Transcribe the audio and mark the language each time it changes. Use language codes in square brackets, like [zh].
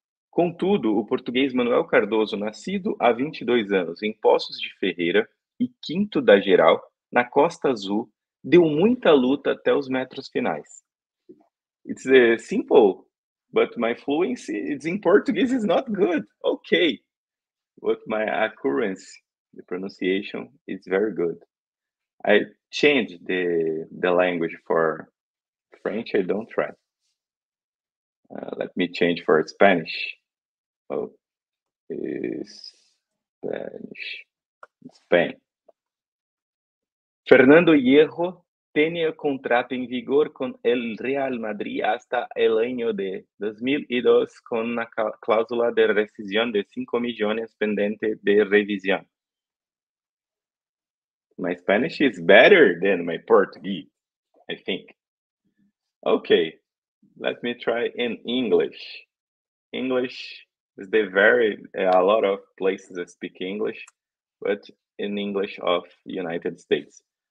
[pt] Contudo, o português Manuel Cardoso, nascido há 22 anos em Poços de Ferreira e quinto da geral, na Costa Azul, deu muita luta até os metros finais. [en] It's simple, but my fluency it's in Portuguese is not good. Okay. But my accuracy, the pronunciation, is very good. I changed the language for French. I don't try. Let me change for Spanish. Oh, Spanish. Spain. [es] Fernando Hierro tenía contrato en vigor con el Real Madrid hasta el año de 2002 con una cláusula de rescisión de 5 millones pendiente de revisión. [en] My Spanish is better than my Portuguese, I think. Okay, let me try in English. English is the very, a lot of places that speak English, but in English of United States.